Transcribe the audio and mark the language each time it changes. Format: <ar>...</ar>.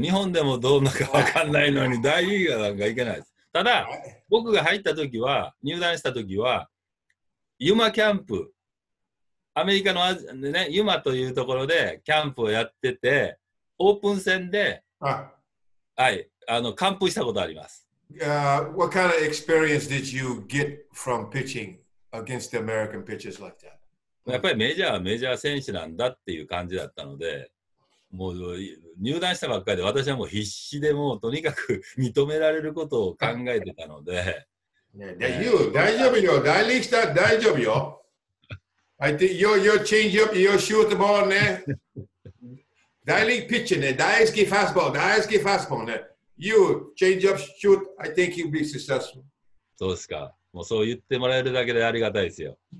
<ja>日本でもどうなのか分かんないのに大リーガーなんかいけないです。ただ、僕が入った時は、入団した時は、ユマキャンプ、アメリカのアジア、ね、ユマというところでキャンプをやってて、オープン戦で、はい、完封したことあります。</ja> <en>What kind of experience did you get from pitching against the American pitchers like that?</en> <ja>やっぱりメジャーはメジャー選手なんだっていう感じだったので、もう入団したばっかりで私はもう必死でもうとにかく認められることを考えてたので。</ja> <en>Yeah, you,</en> <ja>大丈夫よ。大リーグ大丈夫よ。</ja> <en>I think your change up, your shoot the ball ね。</en> <ja>大リーグピッチね。大好きファストボール、大好きファストボールね。</ja> <en>You change up, shoot, I think you'll be successful.</en> <ja>そうですか。もうそう言ってもらえるだけでありがたいですよ。</ja>